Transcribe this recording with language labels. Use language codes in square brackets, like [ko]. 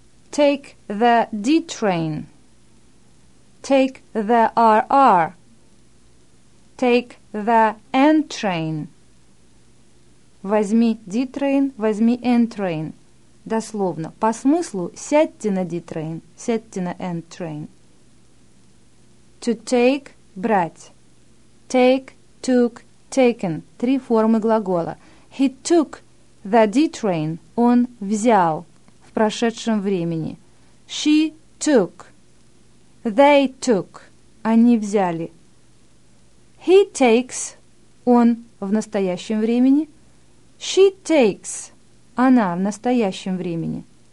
[en] Take the D train. Take the RR. Take the N train. [ru] Возьми D train, возьми N train. Дословно. По смыслу, сядьте на D train, сядьте на N train. [en] To take... [ru] Брать. [en] Take, took, taken. [ru] Три формы глагола. [en] He took the D train. [ru] Он взял в прошедшем времени. [en] She took. They took. [ru] Они взяли. [en] He takes. [ru] Он в настоящем времени. [en] She takes. [ru] Она в настоящем времени.